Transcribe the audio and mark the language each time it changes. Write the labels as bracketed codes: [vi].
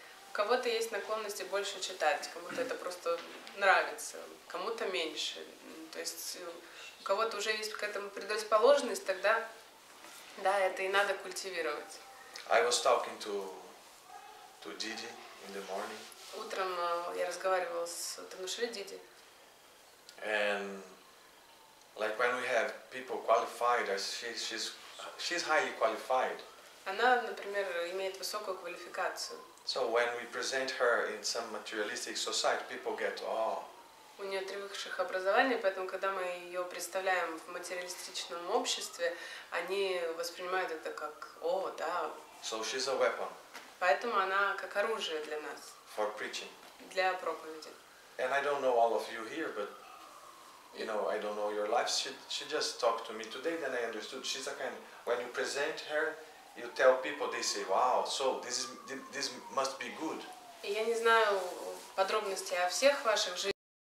[ru] У кого-то есть наклонности больше читать, кому-то это просто нравится, кому-то меньше. То есть у кого-то уже есть к этому предрасположенность, тогда да, это и надо культивировать. [en] I was talking to Didi in the morning. [ru] Утром я разговаривала с Танушри Диди. [en] And like when we have people qualified, she's highly qualified. [ru] Она, например, имеет высокую квалификацию. [en] So when we present her in some materialistic society, people get awe. [ru] У нее три высших образования, поэтому когда мы ее представляем в материалистичном обществе, они воспринимают это как о, да. [en] So she's a weapon. [ru] Поэтому она как оружие для нас. [en] For preaching. [ru] Для проповеди. [en] And I don't know all of you here, but you know, I don't know your life. She just talked to me today, then I understood. She's a kind of, when you present her, you tell people, they say, wow, so this must be good. [ru] Я не знаю подробностей о всех ваших жизнях.